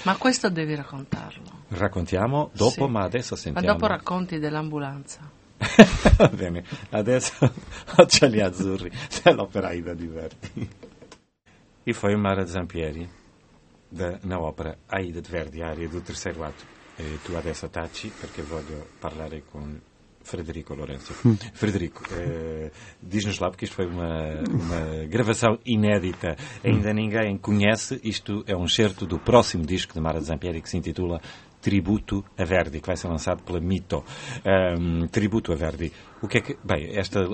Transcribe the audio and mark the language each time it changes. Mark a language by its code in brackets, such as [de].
[it] Mas questo devi raccontarlo. Raccontiamo dopo, sì. Ma adesso sentiamo. Ma dopo racconti dell'ambulanza. Va bene, adesso Occhiali Azzurri dell'Opera Aida di Verdi. [pt] E foi Mara Zampieri na opera Aida di Verdi, aria do terceiro ato. [it] E tu adesso taci perché voglio parlare con Frederico Lorenzo. [pt] Frederico, diz-nos lá, porque isto foi uma gravação inédita. Ainda ninguém conhece. Isto é um excerto do próximo disco de Mara Zampieri que se intitula Tributo a Verdi, que vai ser lançado pela Mito. Tributo a Verdi. O que é que... Bem, esta...